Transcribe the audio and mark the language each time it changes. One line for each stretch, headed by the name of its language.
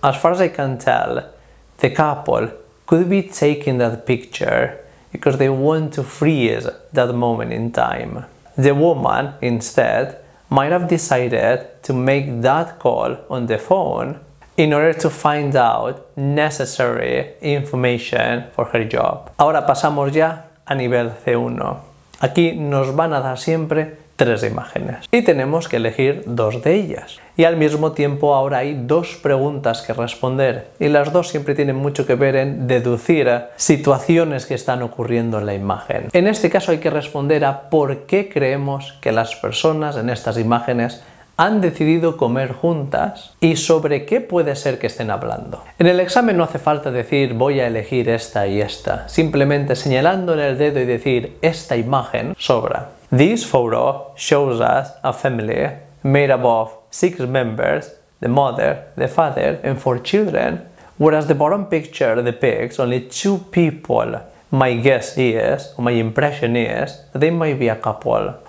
English: As far as I can tell, the couple could be taking that picture because they want to freeze that moment in time. The woman, instead, might have decided to make that call on the phone in order to find out necessary information for her job.
Spanish: Ahora pasamos ya a nivel C1. Aquí nos van a dar siempre tres imágenes y tenemos que elegir dos de ellas. Y al mismo tiempo ahora hay dos preguntas que responder y las dos siempre tienen mucho que ver en deducir situaciones que están ocurriendo en la imagen. En este caso hay que responder a por qué creemos que las personas en estas imágenes han decidido comer juntas y sobre qué puede ser que estén hablando. En el examen no hace falta decir voy a elegir esta y esta, simplemente señalando en el dedo y decir esta imagen sobra.
English: This photo shows us a family made up of 6 members, the mother, the father, and 4 children, whereas the bottom picture depicts only 2 people. My guess is, or my impression is, they might be a couple.